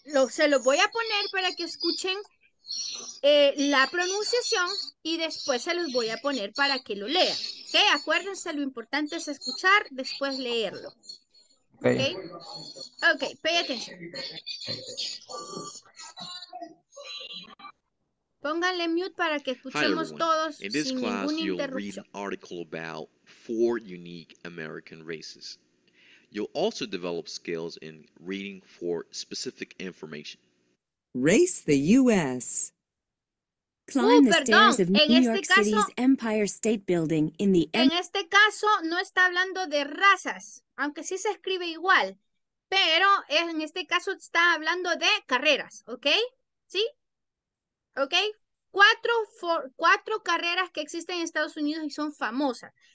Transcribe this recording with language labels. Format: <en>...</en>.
<es>Se los voy a poner para que escuchen la pronunciación y después se los voy a poner para que lo lean. Okay, acuérdense, lo importante es escuchar, después leerlo. Okay. Okay,</es> <en>pay attention.</en> <es>Pónganle mute para que escuchemos todos sin ninguna interrupción.</es> <en>In this class, you'll read an article about four unique American races. You'll also develop skills in reading for specific information. Race the U.S. Climb the stairs of New York City's Empire State Building in the...</en> <es>En este caso, no está hablando de razas, aunque sí se escribe igual, pero en este caso está hablando de carreras, ¿ok? ¿Sí? ¿Ok? Cuatro carreras que existen en Estados Unidos y son famosas.</es>